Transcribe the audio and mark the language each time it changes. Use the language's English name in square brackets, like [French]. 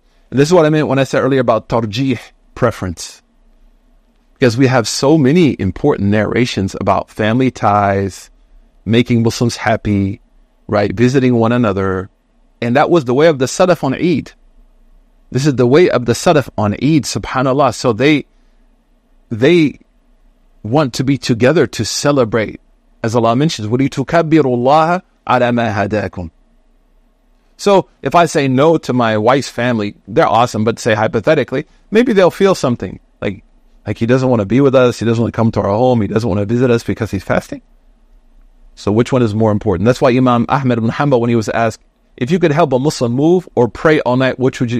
[English] And this is what I meant when I said earlier about tarjih, preference. Because we have so many important narrations about family ties, making Muslims happy, right? Visiting one another. And that was the way of the Salaf on Eid. This is the way of the Salaf on Eid, subhanAllah. So they want to be together to celebrate. As Allah mentions, [Arabic] وَلِتُكَبِّرُ اللَّهَ عَلَى مَا هَدَاكُمْ. [English] So if I say no to my wife's family, they're awesome, but say hypothetically, maybe they'll feel something. Like he doesn't want to be with us, he doesn't want to come to our home, he doesn't want to visit us because he's fasting. So which one is more important? That's why Imam Ahmed ibn Hanbal, when he was asked, if you could help a Muslim move or pray all night, which would you?